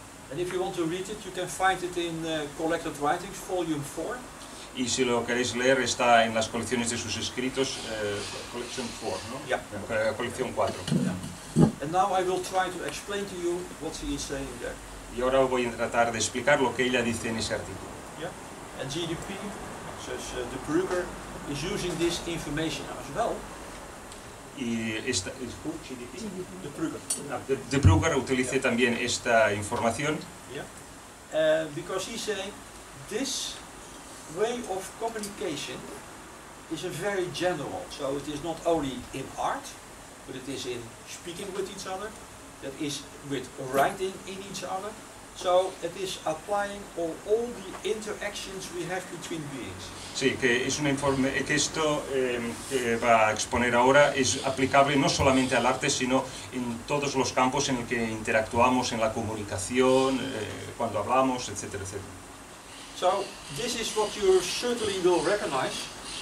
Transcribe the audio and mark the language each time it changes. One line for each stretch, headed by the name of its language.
English: And if you want to read it, you can find it in Collected Writings, Volume 4.
Spanish: Y si lo queréis leer, está en las colecciones de sus escritos, Collection 4, ¿no?
English: Yeah.
Spanish: Colección 4.
English: Yeah. And now I will try to explain to you what he is saying there.
Spanish: Y ahora voy a tratar de explicar lo que ella dice en ese artículo.
English: Yeah. And GDP, says the Brugger, is using this information as well.
Spanish: Y esta es de Brugger. De Brugger utilice también esta información.
English: Because he say this way of communication is a very general. So it is not only in art, but it is in speaking with each other, that is with writing in each other. So it is applying all the interactions we have between beings.
Spanish: Sí, que es un informe que esto que va a exponer ahora es aplicable no solamente al arte, sino en todos los campos en el que interactuamos, en la comunicación, cuando hablamos, etcétera, etcétera.
English: So this is what you certainly will recognize.